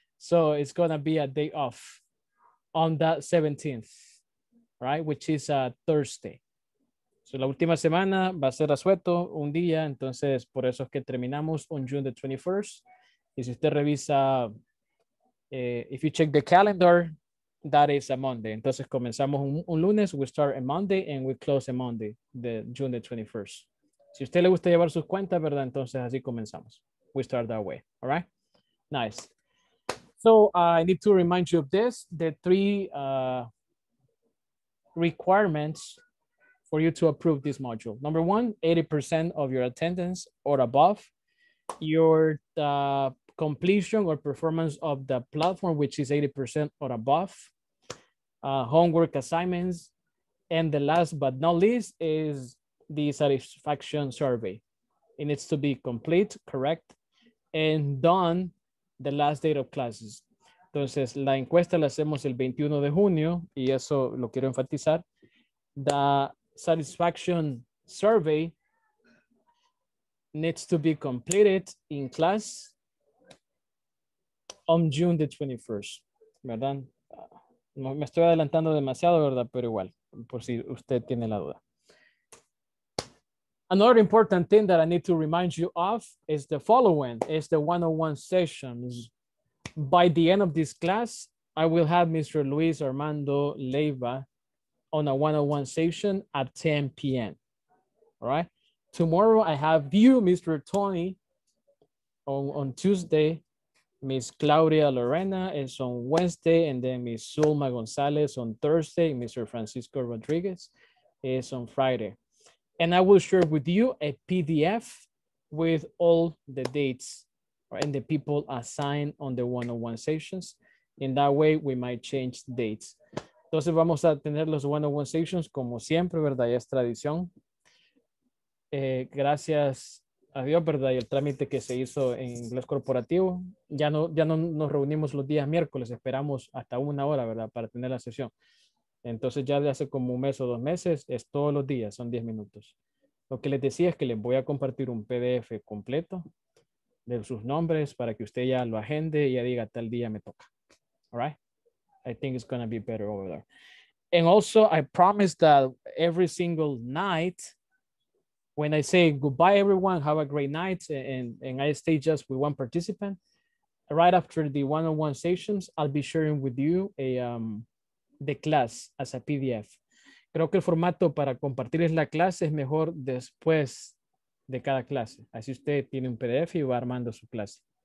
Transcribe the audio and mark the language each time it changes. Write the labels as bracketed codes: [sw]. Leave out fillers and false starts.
[en] So it's going to be a day off on that 17th, right? Which is a Thursday. [es] So la última semana va a ser asueto, un día. Entonces, por eso es que terminamos [en] on June the 21st. [es] Y si usted revisa, [en] if you check the calendar, that is a Monday. [es] Entonces, comenzamos un lunes, [en] we start a Monday, and we close a Monday, the June the 21st. [es] Si usted le gusta llevar sus cuentas, ¿verdad? Entonces, así comenzamos. [en] We start that way, all right? Nice. So I need to remind you of this, the three requirements for you to approve this module. Number one, 80% of your attendance or above, your completion or performance of the platform, which is 80% or above, homework assignments, and the last but not least is the satisfaction survey. It needs to be complete, correct, and done the last date of classes. [es] Entonces, la encuesta la hacemos el 21 de junio, y eso lo quiero enfatizar. [en] The satisfaction survey needs to be completed in class on June the 21st, [es] ¿verdad? Me estoy adelantando demasiado, ¿verdad? Pero igual, por si usted tiene la duda. [en] Another important thing that I need to remind you of is the following, is the one-on-one sessions. By the end of this class, I will have Mr. Luis Armando Leiva on a one-on-one session at 10 p.m. All right. Tomorrow, I have you, Mr. Tony, on Tuesday, Miss Claudia Lorena is on Wednesday, and then Miss Zulma Gonzalez on Thursday, Mr. Francisco Rodriguez is on Friday. And I will share with you a PDF with all the dates and the people assigned on the one-on-one sessions. In that way, we might change dates. [es] Entonces vamos a tener los one-on-one sessions como siempre, ¿verdad? Ya es tradición. Gracias a Dios, ¿verdad? Y el trámite que se hizo en inglés corporativo. Ya no nos reunimos los días miércoles, esperamos hasta una hora, ¿verdad? Para tener la sesión. Entonces ya de hace como un mes o dos meses, es todos los días, son 10 minutos. Lo que les decía es que les voy a compartir un PDF completo de sus nombres para que usted ya lo agende y ya diga tal día me toca. [en] All right? I think it's going to be better over there. And also, I promise that every single night, when I say goodbye, everyone, have a great night, and I stay just with one participant, right after the one-on-one sessions, I'll be sharing with you the class as a PDF. [es] Creo que el formato para compartirles la clase es mejor después de cada clase. Así usted tiene un PDF y va armando su clase.